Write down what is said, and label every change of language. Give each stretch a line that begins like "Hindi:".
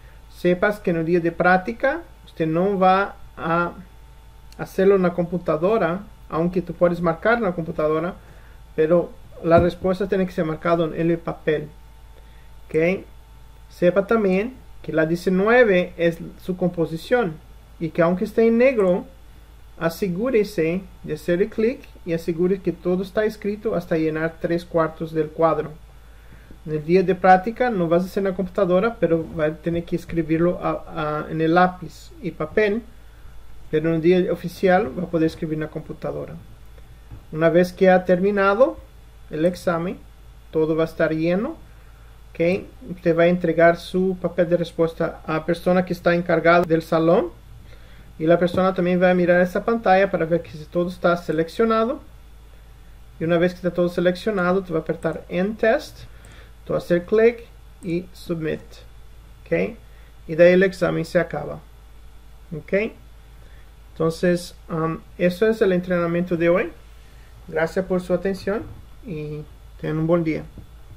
Portuguese: Sepas que no dia de prática, você não vai fazê-lo na computadora, aunque tu podes marcar na computadora, pero a resposta tem que ser marcada no papel. Ok? Sepa também que a 19 é sua composição e que, aunque esteja em negro, assegure-se de
Spanish: hacer el clic y asegure que todo está escrito hasta llenar 3 cuartos del cuadro. En el día de práctica no vas a hacer en la computadora, pero vas a tener que escribirlo en el lápiz y papel. Pero en el día oficial va a poder escribir en la computadora. Una vez que ha terminado el examen, todo va a estar lleno. ¿Okay? Te va a entregar su papel de respuesta a la persona que está encargada del salón.
Portuguese: E a pessoa também vai mirar essa pantalla para ver que se todo está selecionado. E uma vez que está todo selecionado, tu vai apertar End Test, tu vai fazer clique e Submit. Ok? E daí o exame se acaba. Ok? Então, isso é o treinamento de hoje. Graças por sua atenção e tenha um bom dia.